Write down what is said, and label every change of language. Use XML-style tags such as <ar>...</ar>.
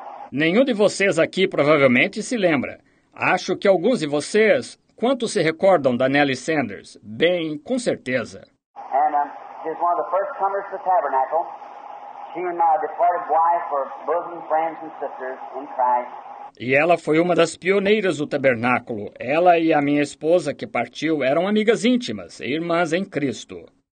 <pt>Nenhum de vocês aqui provavelmente se lembra. Acho que alguns de vocês, quantos se recordam da Nellie Sanders? Bem, com certeza.</pt> <en>And she's one of the first comers to Tabernacle. She and my departed wife were bosom friends and sisters in Christ.</en> <pt>E ela foi uma das pioneiras do tabernáculo. Ela e a minha esposa, que partiu, eram amigas íntimas e irmãs em Cristo.</pt>